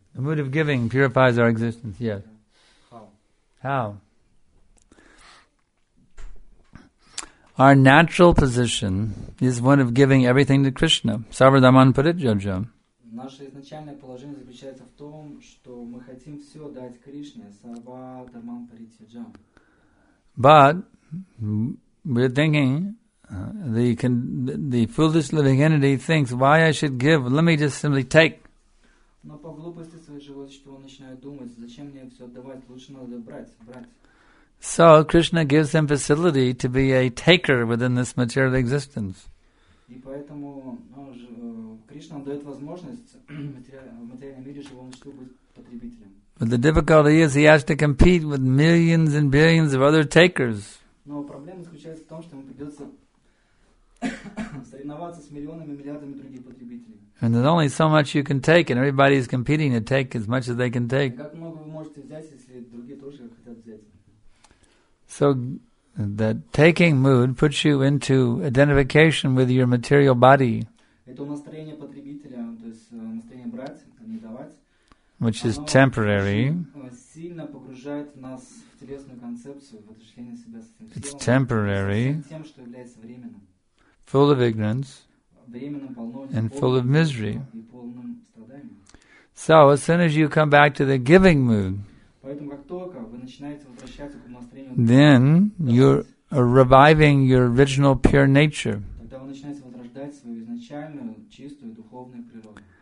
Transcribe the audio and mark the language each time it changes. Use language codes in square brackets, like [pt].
[en] The mood of giving purifies our existence, yes. Yeah. How? How? Our natural position is one of giving everything to Krishna. [sa] Sarvadhaman Parityajya. [ru] Наше изначальное положение заключается в том, что мы хотим все дать Кришне. [sa] Сарвадхаман Парityajya. [en] But we're thinking, the foolish living entity thinks, why I should give? Let me just simply take. [ru] Но по глупости своего животного начинает думать, зачем мне все отдавать? Лучше надо брать. [en] So Krishna gives him facility to be a taker within this material existence. [ru] И поэтому Кришна дает возможность в материальном мире живому существу быть потребителем. [en] But the difficulty is he has to compete with millions and billions of other takers. [ru] Но проблема заключается в том, что ему придется соревноваться с миллионами и миллиардами других потребителей. [en] And there's only so much you can take, and everybody is competing to take as much as they can take. [ru] Как много вы можете взять, если другие тоже хотят взять? [en] So that taking mood puts you into identification with your material body. [ru] Это настроение потребителя, то есть настроение брать, а не давать. [en] Which is temporary. [ru] Сильно погружает нас в телесную концепцию, в отождествление себя с этим телом. [en] It's temporary. [ru] Тем, что является временным. [en] Full of ignorance. [ru] Временным, полно. [en] And full of misery. [ru] И полным страданием. [en] So as soon as you come back to the giving mood. [ru] Поэтому как только вы начинаете возвращаться к настроению. [en] Then you're reviving your original pure nature. [ru] Тогда вы начинаете возрождать свою изначальную чистую духовную природу.